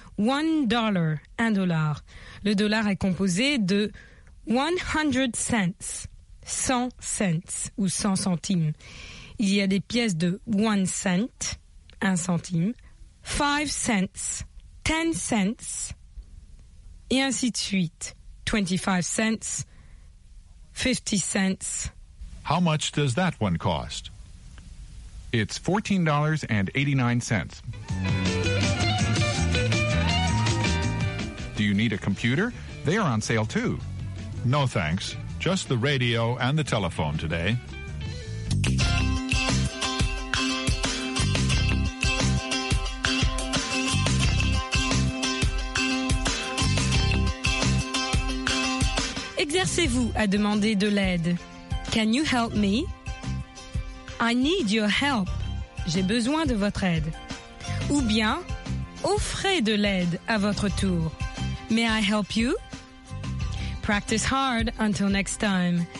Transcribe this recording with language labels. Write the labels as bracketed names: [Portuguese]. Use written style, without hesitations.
[English] One dollar, [French] un dollar. Le dollar est composé de 100 cents, 100 cents ou 100 centimes. Il y a des pièces de 1 cent, 1 centime, 5 cents, 10 cents et ainsi de suite. 25 cents, 50 cents. [English] How much does that one cost? It's $14.89. Do you need a computer? They are on sale too. No thanks. Just the radio and the telephone today. [French] Exercez-vous à demander de l'aide. [English] Can you help me? I need your help. [French] J'ai besoin de votre aide. Ou bien, offrez de l'aide à votre tour. [English] May I help you? Practice hard until next time.